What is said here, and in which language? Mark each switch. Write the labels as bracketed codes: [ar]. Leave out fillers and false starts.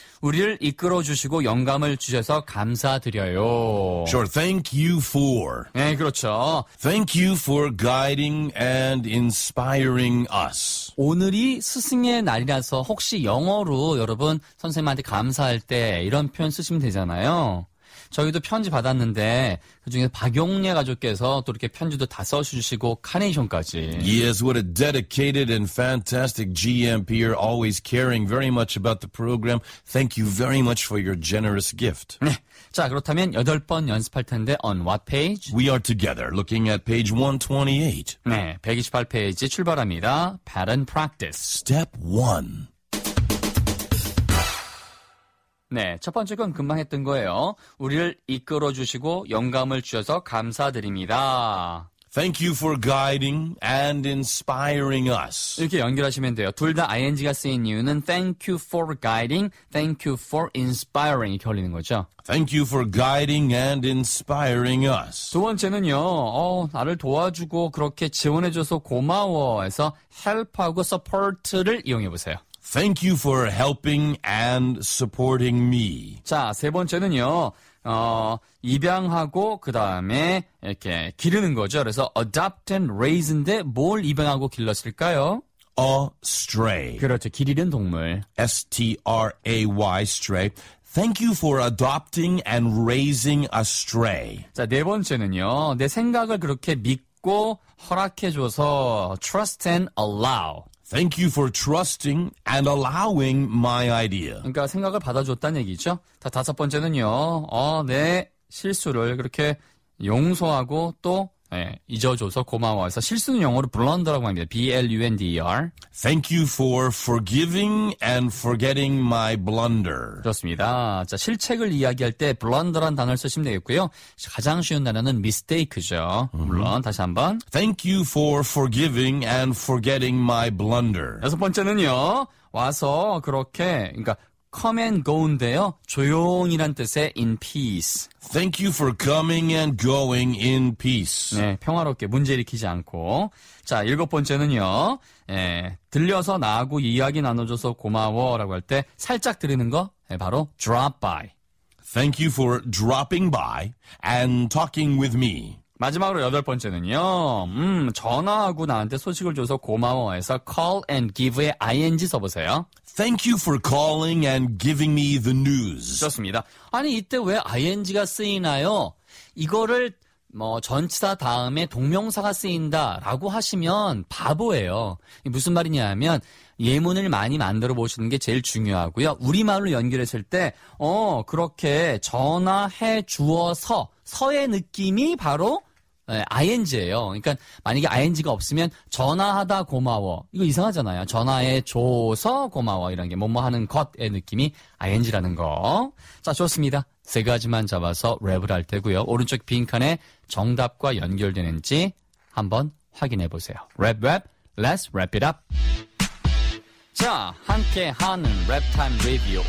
[ko] 우리를 이끌어주시고 영감을 주셔서 감사드려요. [en] Sure, thank you for. [ko] 네, 그렇죠. [en] Thank you for guiding and inspiring us. [ko] 오늘이 스승의 날이라서 혹시 영어로 여러분 선생님한테 감사할 때 이런 표현 쓰시면 되잖아요. 저희도 편지 받았는데 그중에 박용례 가족께서 또 이렇게 편지도 다 써주시고 카네이션까지. [en] Yes, what a dedicated and fantastic GMP-er, always caring very much about the program. Thank you very much for your generous gift. [ko] 네, 자 그렇다면 여덟 번 연습할 텐데 [en] on what page? We are together, looking at page 128. [ko] 네, 128페이지 출발합니다. [en] Pattern practice. Step 1. [ko] 네, 첫 번째 건 금방 했던 거예요. 우리를 이끌어 주시고 영감을 주셔서 감사드립니다. [en] Thank you for guiding and inspiring us. [ko] 이렇게 연결하시면 돼요. 둘 다 ing가 쓰인 이유는 [en] thank you for guiding, thank you for inspiring [ko] 이렇게 걸리는 거죠. [en] Thank you for guiding and inspiring us. [ko] 두 번째는요. 나를 도와주고 그렇게 지원해 줘서 고마워해서 help하고 support를 이용해 보세요. [en] Thank you for helping and supporting me. [ko] 자, 세 번째는요. 입양하고 그다음에 이렇게 기르는 거죠. 그래서 [en] adopt and raise [ko] 인데 뭘 입양하고 길렀을까요? [en] A stray. [ko] 그렇죠. 기르는 동물. [en] S-T-R-A-Y, stray. Thank you for adopting and raising a stray. [ko] 자, 네 번째는요. 내 생각을 그렇게 믿고 허락해 줘서 [en] trust and allow. Thank you for trusting and allowing my idea. [ko] 그러니까 생각을 받아줬다는 얘기죠. 다 다섯 번째는요. 내 실수를 그렇게 용서하고 또 잊어줘서 고마워해서 실수는 영어로 blunder라고 합니다. [en] B-L-U-N-D-E-R. Thank you for forgiving and forgetting my blunder. [ko] 그렇습니다. 자, 실책을 이야기할 때 blunder란 단어를 쓰시면 되겠고요. 가장 쉬운 단어는 mistake죠. 물론 다시 한번. [en] Thank you for forgiving and forgetting my blunder. [ko] 여섯 번째는요. 와서 그렇게 그러니까 [en] come and go [ko] 인데요. 조용이란 뜻의 in peace. [en] Thank you for coming and going in peace. [ko] 네, 평화롭게 문제 일으키지 않고. 자, 일곱 번째는요. 예, 들려서 나하고 이야기 나눠줘서 고마워라고 할 때 살짝 들리는 거 바로 drop by. [en] Thank you for dropping by and talking with me. [ko] 마지막으로 여덟 번째는요. 전화하고 나한테 소식을 줘서 고마워해서 call and give에 ing 써보세요. [en] Thank you for calling and giving me the news. [ko] 좋습니다. 아니 이때 왜 ing가 쓰이나요? 이거를 뭐 전치사 다음에 동명사가 쓰인다라고 하시면 바보예요. 무슨 말이냐면 예문을 많이 만들어 보시는 게 제일 중요하고요. 우리말로 연결했을 때 그렇게 전화해 주어서 서의 느낌이 바로 ing예요. 그러니까 만약에 ing가 없으면 전화하다 고마워. 이거 이상하잖아요. 전화해 줘서 고마워 이런 게 뭐뭐 하는 것의 느낌이 ing라는 거. 자, 좋습니다. 세 가지만 잡아서 랩을 할 테고요. 오른쪽 빈칸에 정답과 연결되는지 한번 확인해 보세요. [en] 랩 랩, let's wrap it up. [ko] 자, 함께하는 랩타임 리뷰.